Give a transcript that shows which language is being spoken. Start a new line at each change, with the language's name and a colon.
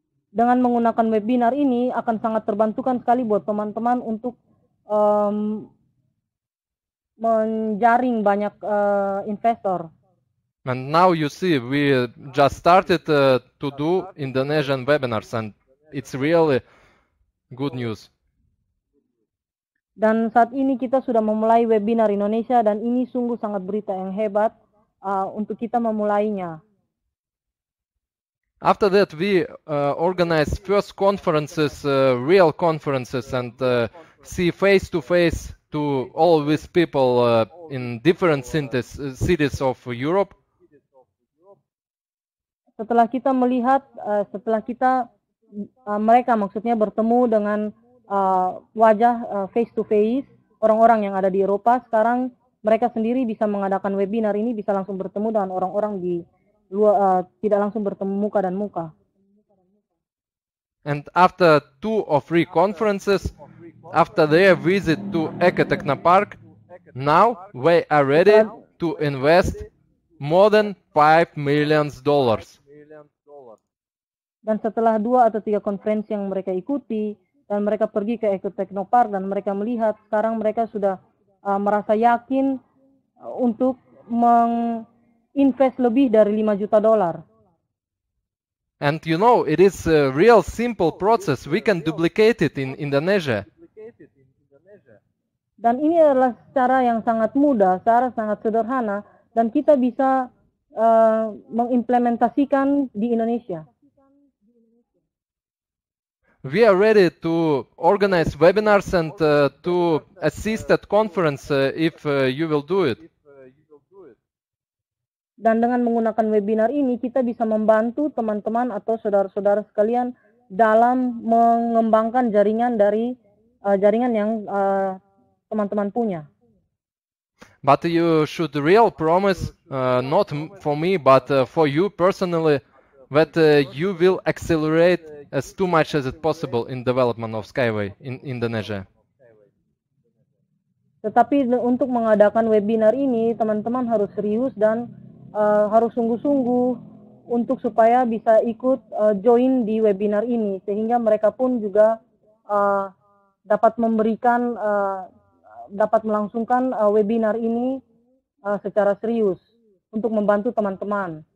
Indonesian: Dengan menggunakan webinar ini akan sangat terbantukan sekali buat teman-teman untuk menjaring banyak investor.
English: And now you see we just started to do Indonesian webinars and it's really good news.
Indonesian: Dan saat ini kita sudah memulai webinar Indonesia dan ini sungguh sangat berita yang hebat untuk kita memulainya.
English: After that, we organized first conferences, real conferences, and see face-to-face to all these people in different cities of Europe.
Indonesian: Setelah kita mereka maksudnya bertemu dengan wajah
English: face to face,
Indonesian: orang-orang yang ada di Eropa. Sekarang mereka sendiri bisa mengadakan webinar ini, bisa langsung bertemu dengan orang-orang di luar, tidak langsung bertemu muka dan muka.
English: And after two or three conferences, after their visit to Eke Technopark, now we are ready to invest more than $5 million.
Indonesian: Dan setelah dua atau tiga konferensi yang mereka ikuti dan mereka pergi ke Eke Technopark dan mereka melihat, sekarang mereka sudah merasa yakin untuk menginvest lebih dari $5 million.
English: And you know, it is a real simple process. We can duplicate it in Indonesia.
Indonesian: Dan ini adalah cara yang sangat mudah, cara sangat sederhana, dan kita bisa mengimplementasikan di Indonesia.
English: We are ready to organize webinars and to assist at conference if you will do it.
Indonesian: Dan dengan menggunakan webinar ini, kita bisa membantu teman-teman atau saudara-saudara sekalian dalam mengembangkan jaringan dari jaringan yang teman-teman punya.
English: But you should real promise, not for me, but for you personally, that you will accelerate as too much as it possible in development of Skyway in Indonesia.
Indonesian: Tetapi untuk mengadakan webinar ini, teman-teman harus serius dan harus sungguh-sungguh untuk supaya bisa ikut join di webinar ini, sehingga mereka pun juga dapat memberikan, dapat melangsungkan webinar ini secara serius untuk membantu teman-teman.